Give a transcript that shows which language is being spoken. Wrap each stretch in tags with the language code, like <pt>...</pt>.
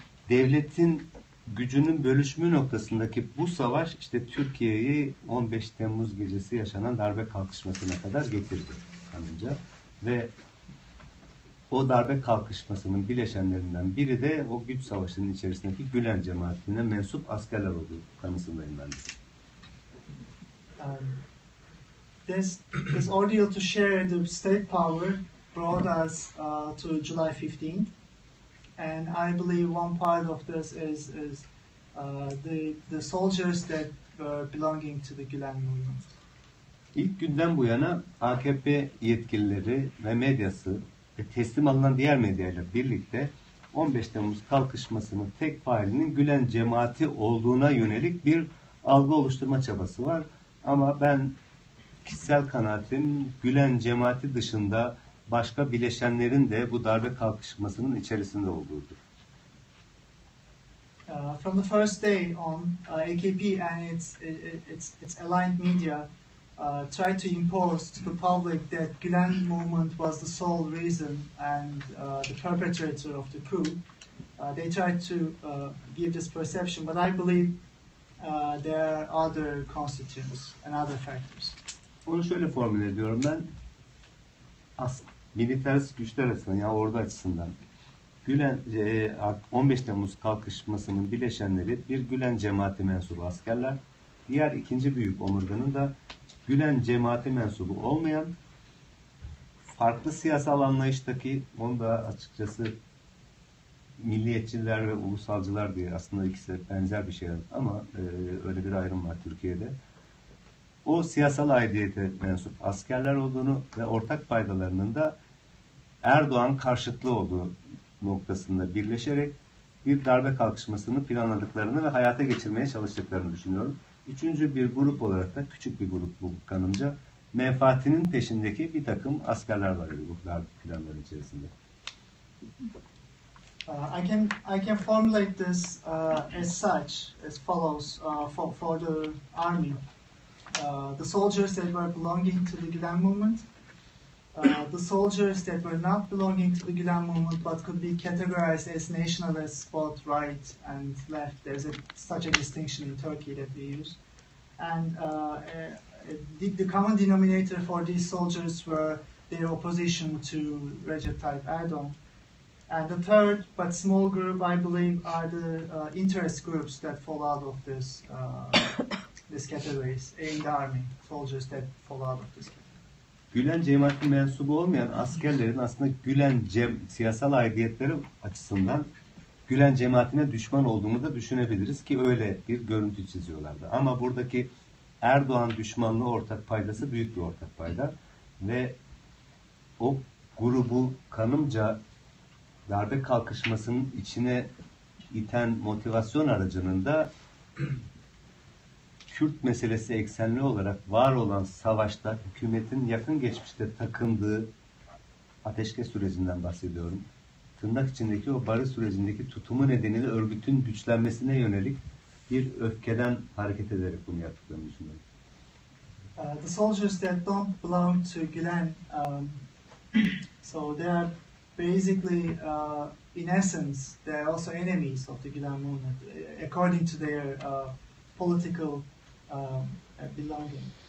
<tr>Devletin gücünün bölüşme noktasındaki bu savaş işte Türkiye'yi 15 Temmuz gecesi yaşanan darbe kalkışmasına kadar getirdi kanınca. Ve o darbe kalkışmasının bileşenlerinden biri de o güç savaşının içerisindeki Gülen cemaatine mensup askerler olduğu kanısındayım ben de.</tr> <en>This ordeal to share the state power brought us to July 15th, and I believe one part of this is the soldiers that were belonging to the Gülen movement.</en> <tr>İlk günden bu yana AKP yetkilileri ve medyası ve teslim alınan diğer medyayla birlikte 15 Temmuz kalkışmasının tek failinin Gülen cemaati olduğuna yönelik bir algı oluşturma çabası var. Ama ben kişisel kanaatim Gülen cemaati dışında başka bileşenlerin de bu darbe kalkışmasının içerisinde olduğudur.</tr> <en>From the first day on, AKP and its aligned media tried to impose to the public that Gülen movement was the sole reason and the perpetrator of the coup. They tried to give this perception, but I believe there are other constituents and other factors.</en> <tr>Onu şöyle formüle ediyorum ben. Militarist güçler açısından, yani ordu açısından Gülen 15 Temmuz kalkışmasının bileşenleri bir Gülen cemaati mensubu askerler. Diğer ikinci büyük omurganın da Gülen cemaati mensubu olmayan farklı siyasal anlayıştaki onu da açıkçası milliyetçiler ve ulusalcılar diye aslında ikisi benzer bir şey ama öyle bir ayrım var Türkiye'de. O siyasal aidiyete mensup askerler olduğunu ve ortak faydalarının da Erdoğan karşıtlığı olduğu noktasında birleşerek bir darbe kalkışmasını planladıklarını ve hayata geçirmeye çalıştıklarını düşünüyorum. Üçüncü bir grup olarak da küçük bir grup bu kanımca menfaatinin peşindeki bir takım askerler var bu darbe planları içerisinde.</tr> <en>I can formulate this as follows for the army. The soldiers that were belonging to the Gülen movement. The soldiers that were not belonging to the Gülen movement but could be categorized as nationalists, both right and left. There's such a distinction in Turkey that we use. And the common denominator for these soldiers were their opposition to Recep Tayyip Erdoğan. And the third, but small group, I believe, are the interest groups that fall out of this this categories in the army, soldiers that fall out of this category.</en> <tr>Gülen cemaatine mensubu olmayan askerlerin aslında Gülen siyasal aidiyetleri açısından Gülen cemaatine düşman olduğunu da düşünebiliriz ki öyle bir görüntü çiziyorlardı. Ama buradaki Erdoğan düşmanlığı ortak paydası büyük bir ortak payda. Ve o grubu kanımca darbe kalkışmasının içine iten motivasyon aracının da Kürt meselesi eksenli olarak var olan savaşta hükümetin yakın geçmişte takındığı ateşkes sürecinden bahsediyorum. Tırnak içindeki o barış sürecindeki tutumu nedeniyle örgütün güçlenmesine yönelik bir öfkeden hareket ederek bunu yaptıklarını düşünüyorum.</tr> <en>The soldiers that don't belong to Gülen, so they are basically, in essence, they are also enemies of the Gülen movement, according to their political belonging.</en>